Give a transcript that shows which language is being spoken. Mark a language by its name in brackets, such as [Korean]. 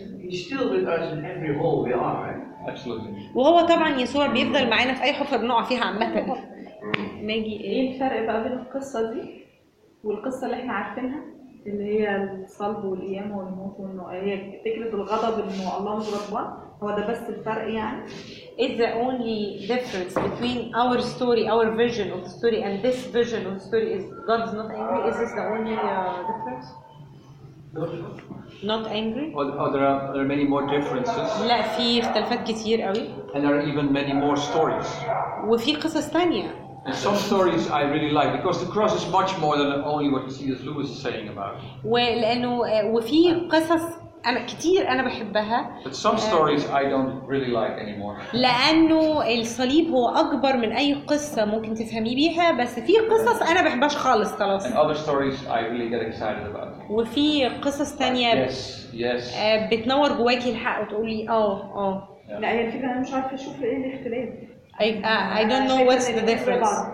[English] He's still with us in every hole we are, right? Absolutely. [Arabic] وهو طبعاً يسوع بيفضل معنا في أي حفرة بنقع فيها عمتاً. ماجي إيه الفرق بقى بين القصة دي والقصة اللي إحنا عارفينها؟ اللي هي الصلب والقيامة والموت والنقاية تكلة الغضب إنه الله مش ربنا هو ده بس الفرق يعني [English] is the only difference between our story our vision of the story and this vision of the story is God's not angry is this the only difference not angry or there are many more differences [Arabic] لا في اختلافات كتير قوي [English] and there are even many more stories [Arabic] وفي قصص تانية [English] And some stories I really like because the cross is much more than only what C.S. Lewis is saying about. [Arabic] ولأنه وفي قصص أنا كتير أنا بحبها. [English] But some stories I don't really like anymore. [Arabic] لأنه الصليب هو أكبر من أي قصة ممكن تفهمي بيها بس في قصص أنا بحبش خالص خلاص. [English] And other stories I really get excited about. [Arabic] وفي قصص تانية. [English] Yes. Yes. [Arabic] بتنور جواكي الحق وتقولي آه. لا هي الفكرة أنا مش عارفة أشوف إيه الاختلاف. [English] I don't know what's the difference.